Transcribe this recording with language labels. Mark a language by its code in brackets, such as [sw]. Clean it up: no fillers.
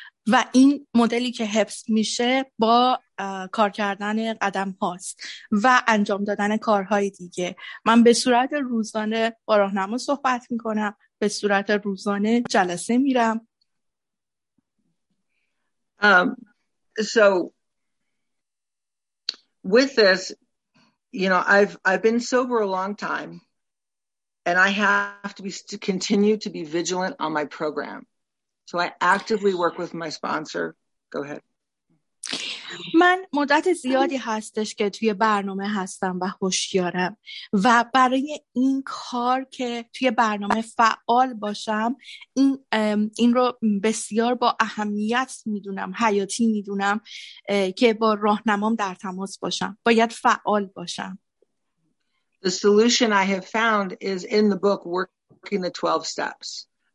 [fa] و این مدلی که حفظ میشه با کار کردن قدم هاست و انجام دادن کارهای دیگه من به صورت روزانه با راهنما صحبت میکنم به صورت روزانه جلسه میرم. [en] So with this, you know, I've been sober a long time and I have to be to continue to be vigilant on my program. So I actively work with my sponsor. Go ahead. [fa] من مدت زیادی هستش که توی برنامه هستم و هوشیارم و برای این کار که توی برنامه فعال باشم این رو بسیار با اهمیت میدونم حیاتی میدونم که با راهنمام در تماس باشم باید فعال باشم. [en] The solution I have found is in the book Working the 12 Steps.